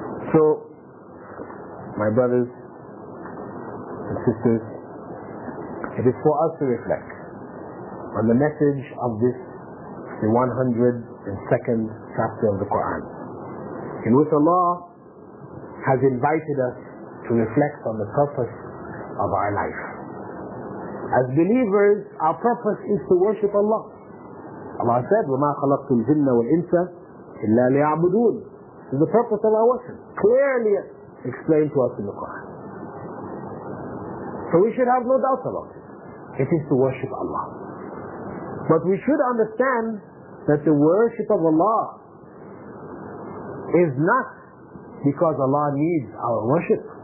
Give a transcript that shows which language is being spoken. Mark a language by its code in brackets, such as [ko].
[en] So, my brothers and sisters, it is for us to reflect on the message of this, the 102nd chapter of the Quran, in which Allah has invited us to reflect on the purpose of our life. As believers, our purpose is to worship Allah. Allah said, [ar] وَمَا خَلَقْتُ الْجِنَّ وَالْإِنسَ إِلَّا لِيَعْبُدُونَ. [en] This is the purpose of our worship, clearly explained to us in the Quran. So we should have no doubt about it. It is to worship Allah. But we should understand that the worship of Allah is not because Allah needs our worship.